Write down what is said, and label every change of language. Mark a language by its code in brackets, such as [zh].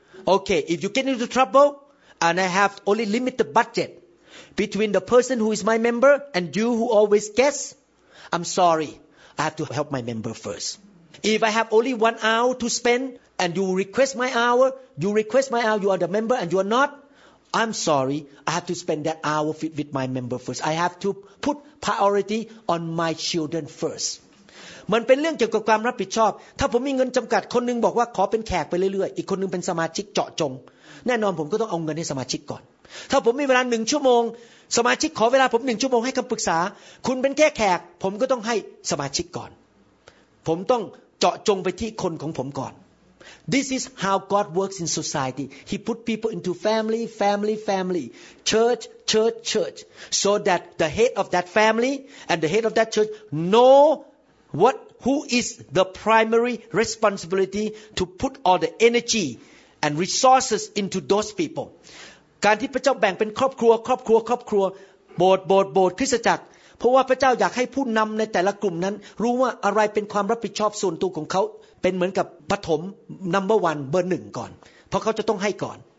[en] Okay, if you get into trouble, and I have only limited budget between the person who is my member and you who always guess, I'm sorry, I have to help my member first. If I have only 1 hour to spend, and you request my hour, you request my hour, you are the member and you are not, I'm sorry, I have to spend that hour with my member first. I have to put priority on my children first. [th] มันเป็นเรื่องเกี่ยวกับความรับผิดชอบถ้าผมมีเงินจำกัดคนนึงบอกว่าขอเป็นแขกไปเรื่อยๆอีกคนนึงเป็นสมาชิกเจาะจงแน่นอนผมก็ต้องเอาเงินให้สมาชิกก่อนถ้าผมมีเวลา1ชั่วโมงสมาชิกขอเวลาผม1ชั่วโมงให้คำปรึกษาคุณเป็นแค่แขกผมก็ต้องให้สมาชิกก่อนผมต้องเจาะจงไปที่คนของผมก่อน [en] This is how God works in society. He put people into family, family, family, church, church, church, so that the head of that family and the head of that church know what, who is the primary responsibility to put all the energy and resources into those people. [th] การที่พระเจ้าแบ่งเป็นครอบครัวครอบครัวครอบครัวโบสถ์โบสถ์โบสถ์คริสตจักรเพราะว่าพระเจ้าอยากให้ผู้นำในแต่ละกลุ่มนั้นรู้ว่าอะไรเป็นความรับผิดชอบส่วนตัวของเขาเป็นเหมือนกับปฐม number 1เบอร์1ก่อนเพราะเขาจะต้องให้ก่อน